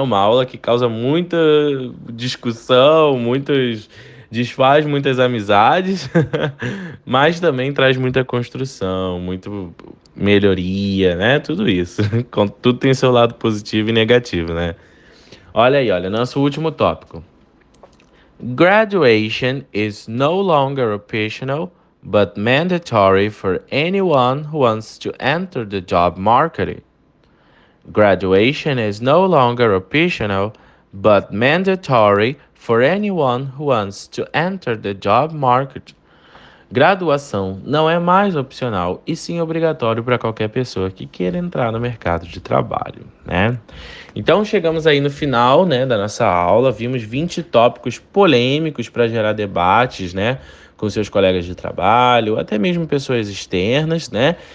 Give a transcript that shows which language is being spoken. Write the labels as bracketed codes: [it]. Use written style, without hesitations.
[pt] Uma aula que causa muita discussão, desfaz muitas amizades, mas também traz muita construção, muito melhoria, né? Tudo isso. Tudo tem seu lado positivo e negativo, né? Olha aí, olha, nosso último tópico. [en] Graduation is no longer optional, but mandatory for anyone who wants to enter the job market. Graduation is no longer optional, but mandatory for anyone who wants to enter the job market. [pt] Graduação não é mais opcional e sim obrigatório para qualquer pessoa que queira entrar no mercado de trabalho, né? Então chegamos aí no final, né, da nossa aula. Vimos 20 tópicos polêmicos para gerar debates, né, com seus colegas de trabalho, até mesmo pessoas externas, né?